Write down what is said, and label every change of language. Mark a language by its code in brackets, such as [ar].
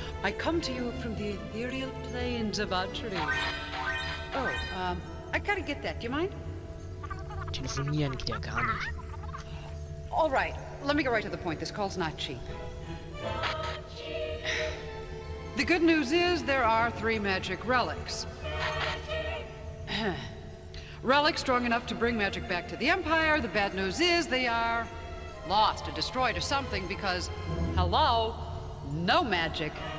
[en] I come to you from the ethereal plains of Archery. Oh, I gotta get that. Do you mind? [de] Telefonieren geht ja gar nicht. [en] All right, let me go right to the point. This call's not cheap. The good news is there are three magic relics. Relics strong enough to bring magic back to the Empire. The bad news is they are lost or destroyed or something because, hello, no magic.